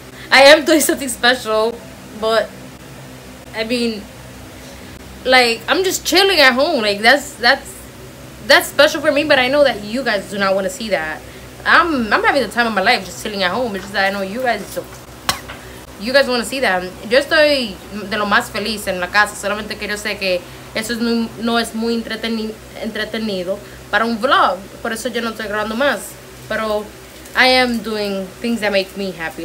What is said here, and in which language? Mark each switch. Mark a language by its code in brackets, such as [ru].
[en] I am doing something special, but I mean, like, I'm just chilling at home. Like, that's special for me, but I know that you guys do not want to see that. I'm having the time of my life just chilling at home. It's just that I know you guys want to see that. [es] Yo estoy de lo más feliz en la casa, solamente que yo sé que eso no es muy entretenido para un vlog. Por eso yo no estoy grabando más. Pero I am doing things that make me happy.